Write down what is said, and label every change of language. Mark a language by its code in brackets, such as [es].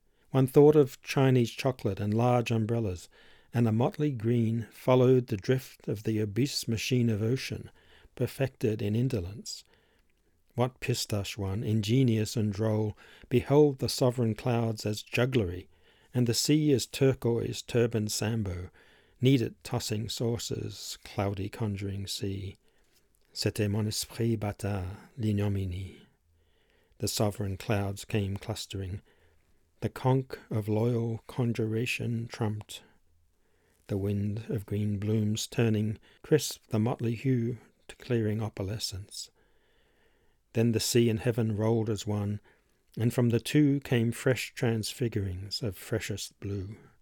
[en] One thought of Chinese chocolate and large umbrellas, and a motley green followed the drift of the obese machine of ocean, perfected in indolence. What pistache one, ingenious and droll, beheld the sovereign clouds as jugglery, and the sea as turquoise turban sambo, kneaded tossing saucers, cloudy conjuring sea. [fr] C'était mon esprit bâtard, l'ignominie. [en] The sovereign clouds came clustering. The conch of loyal conjuration trumped. The wind of green blooms turning, crisp the motley hue to clearing opalescence. Then the sea and heaven rolled as one, and from the two came fresh transfigurings of freshest blue.